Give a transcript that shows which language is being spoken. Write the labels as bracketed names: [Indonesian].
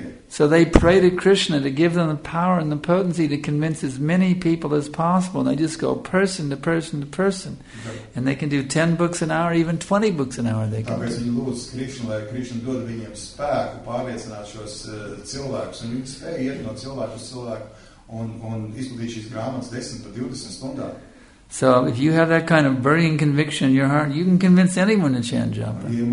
[English] So they pray to Krishna to give them the power and the potency to convince as many people as possible. And they just go person to person to person. And they can do 10 books an hour, even 20 books an hour they can do. [Latvian] Tāpēc viņi lūdz Krishna, lai Krishna dod viņiem spēku pārliecināt šos cilvēkus. Un viņi spēja iet no cilvēku uz cilvēku un izplatīt šīs grāmatas 10 pa 20 stundā. [English] So if you have that kind of burning conviction in your heart, you can convince anyone to chant japa.